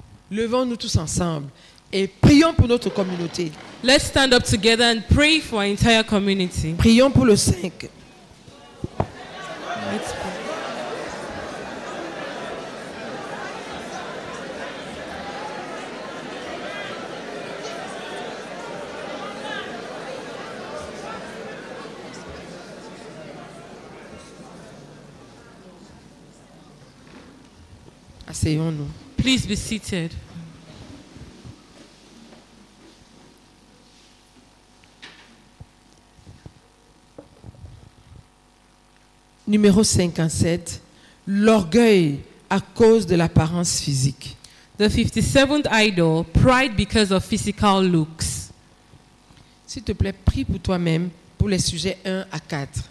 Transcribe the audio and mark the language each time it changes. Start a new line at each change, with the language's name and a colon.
French: Levons-nous tous ensemble et prions pour notre communauté.
English: Let's stand up together and pray for our entire community.
French: Prions pour le 5. Asseyons-nous.
English: Please be seated.
French: Numéro 57, l'orgueil à cause de l'apparence physique.
English: The 57th idol, pride because of physical looks.
French: S'il te plaît, prie pour toi-même pour les sujets 1 à 4.